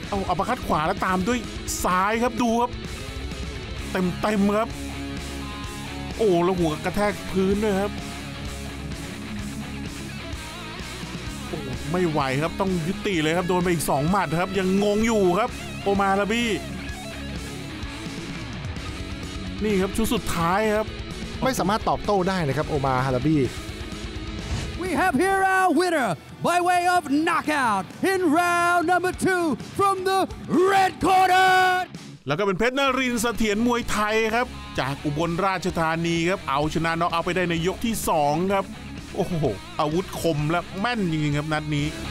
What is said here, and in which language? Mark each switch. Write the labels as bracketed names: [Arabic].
[Thai] เอาอัปเปอร์คัทขวาแล้วตามด้วยซ้ายครับดูครับเต็มๆครับโอ้แล้วหัวกระแทกพื้นด้วยครับโอ้ไม่ไหวครับต้องยุติเลยครับโดนไปอีก2หมัดครับยังงงอยู่ครับโอมาลาบี้นี่ครับชุดสุดท้ายครับ ไม่สามารถตอบโต้ได้นะครับโอมาฮาราบี้ [English] We have here our winner by way of knockout in round number 2 from the red corner [Thai] แล้วก็เป็นเพชรนรินทร์เสถียรมวยไทยครับจากอุบลราชธานีครับเอาชนะน็อกเอาไปได้ในยกที่2ครับโอ้โหอาวุธคมและแม่นจริงๆครับนัดนี้